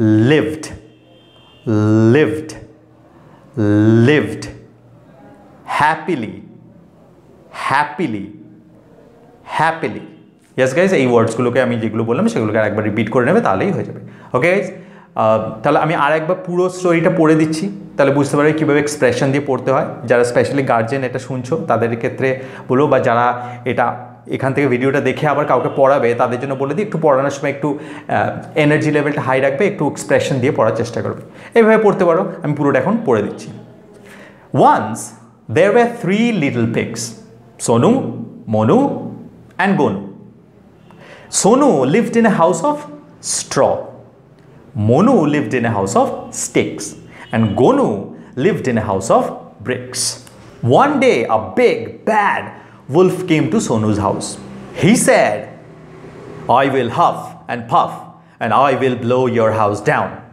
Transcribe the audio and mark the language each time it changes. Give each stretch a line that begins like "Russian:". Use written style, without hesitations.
English: Lived, lived, lived. Happily, happily, happily. Yes, guys, these words will be said. I will repeat these words. Okay, guys. Okay, guys. Okay, guys. Okay, guys.
Bangla: তাহলে আমি আরেকবার পুরো স্টোরিটা পড়ে দিচ্ছি, তাহলে বুঝতে পারবে কীভাবে এক্সপ্রেশন দিয়ে পড়তে হয়। যারা স্পেশালি গার্জেন এটা শুনছো তাদের ক্ষেত্রে বলো, বা যারা এটা এখান থেকে ভিডিওটা দেখে আবার কাউকে পড়াবে তাদের জন্য বলে দিই, একটু পড়ানোর সময় একটু এনার্জি লেভেলটা হাই রাখবে, একটু এক্সপ্রেশন দিয়ে পড়ার চেষ্টা করবে। এইভাবে পড়তে পারো, আমি পুরোটা এখন পড়ে দিচ্ছি।
English: Once there were three little pigs, Sonu, Monu and Gonu. Sonu lived in a house of straw, Monu lived in a house of sticks, and Gonu lived in a house of bricks. One day, a big, bad wolf came to Sonu's house. He said, I will huff and puff, and I will blow your house down.